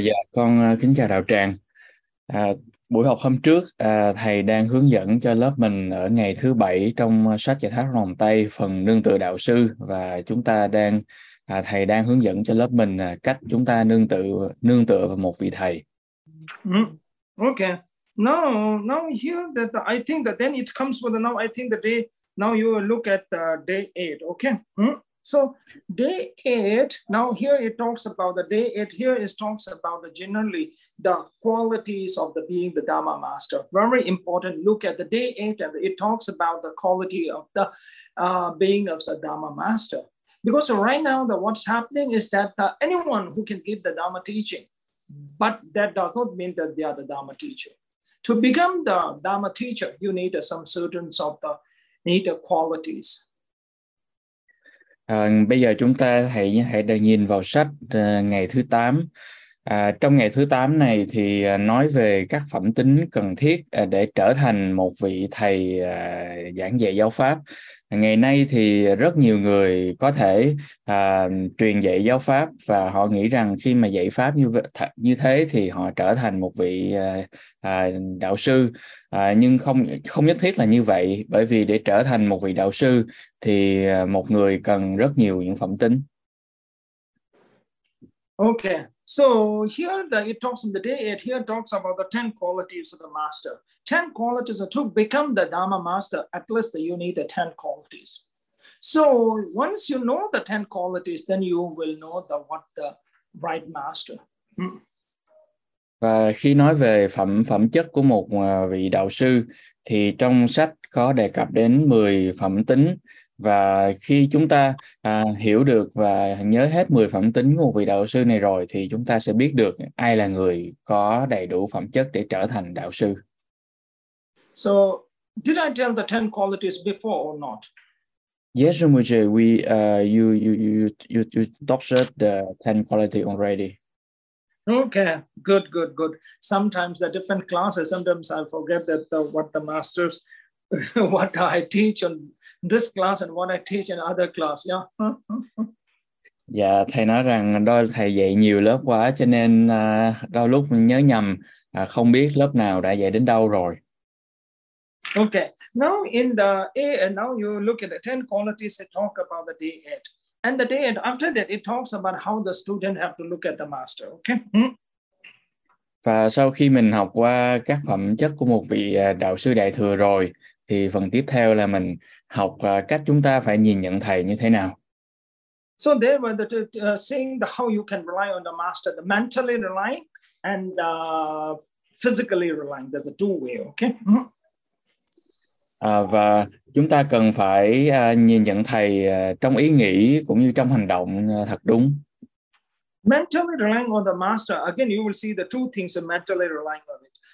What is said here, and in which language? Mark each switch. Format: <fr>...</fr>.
<vi>Dạ con kính chào đạo tràng. Buổi học hôm trước thầy đang hướng dẫn cho lớp mình ở ngày thứ bảy trong sách Giải Thoát Lòng Tây phần nương tựa đạo sư, và chúng ta đang thầy đang hướng dẫn cho lớp mình cách chúng ta nương tựa vào một vị thầy.</vi> <en>Okay. Now here that I think that then it comes with the, now I think the day. Now you will look at day 8, okay? So day 8, now here it talks about the day 8. Here it talks about the generally the qualities of the being the Dhamma master. Very important, look at the day 8 and it talks about the quality of the being of the Dhamma master. Because right now the what's happening is that anyone who can give the Dhamma teaching, but that does not mean that they are the Dhamma teacher. To become the Dhamma teacher, you need some certain of the need the qualities.</en> <vi>Bây giờ chúng ta hãy đang nhìn vào sách ngày thứ 8. Trong ngày thứ 8 này thì nói về các phẩm tính cần thiết để trở thành một vị thầy giảng dạy giáo pháp. Ngày nay thì rất nhiều người có thể truyền dạy giáo pháp, và họ nghĩ rằng khi mà dạy pháp như thế thì họ trở thành một vị đạo sư. Nhưng không không nhất thiết là như vậy, bởi vì để trở thành một vị đạo sư thì một người cần rất nhiều những phẩm tính.</vi> <en>Okay, so here the it talks in the day 8, here talks about the 10 qualities of the master. 10 qualities are to become the Dhamma master, at least you need the 10 qualities. So once you know the 10 qualities, then you will know the what the right master.</en> <vi>Và khi nói về phẩm phẩm chất của một vị đạo sư thì trong sách có đề cập đến 10 phẩm tính, và khi chúng ta hiểu được và nhớ hết 10 phẩm tính của một vị đạo sư này rồi thì chúng ta sẽ biết được ai là người có đầy đủ phẩm chất để trở thành đạo sư.</vi> <en>So, did I tell the 10 qualities before or not? Yes, we you talked the 10 quality already. Okay, good, good, good. Sometimes the different classes, sometimes I forget that the, what the masters, what I teach on this class and what I teach in other class.</en> <vi>Dạ, thầy nói rằng đôi thầy dạy nhiều lớp quá cho nên đôi lúc mình nhớ nhầm, không biết lớp nào đã dạy đến đâu rồi.</vi> <en>Okay, now in the A, and now you look at the 10 qualities that talk about the day 8. And the day 8, after that, it talks about how the student have to look at the master, okay?</en> <vi>Và sau khi mình học qua các phẩm chất của một vị đạo sư đại thừa rồi, thì phần tiếp theo là mình học cách chúng ta phải nhìn nhận thầy như thế nào.</vi> <en>So there were the saying the how you can rely on the master, the mentally relying and physically relying, that the two way, okay?</en> <vi>Và chúng ta cần phải nhìn nhận thầy trong ý nghĩ cũng như trong hành động thật đúng.</vi> <en>Mentally relying on the master, again, you will see the two things of mentally relying on it.</en>